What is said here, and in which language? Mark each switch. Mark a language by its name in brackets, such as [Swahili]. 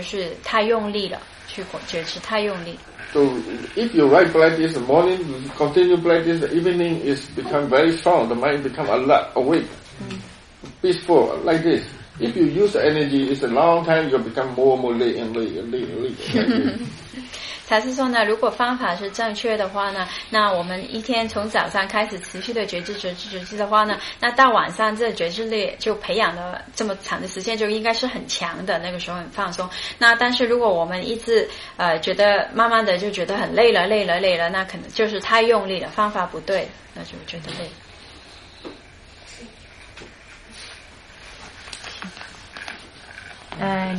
[Chinese] 他是说呢，那如果你的方法是对的话呢，那持续的觉知会让你觉得更轻松、更放松的。因为禅师说，如果我们就是有烦恼升起的时候才去觉知的时候，那个时候太慢了。嗯，升起了我们不知道。如果你觉得累，没力气，用那么多energy。嗯，如果你觉得累的话，那你就是太用力了，去觉知太用力。 [English] So if you write practice in the morning, continue practice, the evening is become very strong, the mind become alert, awake, peaceful, like this. If you use the energy, it's a long time, you'll become more and more late and late and late and late, like this. [Chinese] 他是说呢，如果方法是正确的话呢，那我们一天从早上开始持续的觉知的话呢，那到晚上这觉知力就培养了这么长的时间，就应该是很强的，那个时候很放松。那但是如果我们一直觉得慢慢的就觉得很累了，那可能就是太用力了，方法不对，那就觉得累。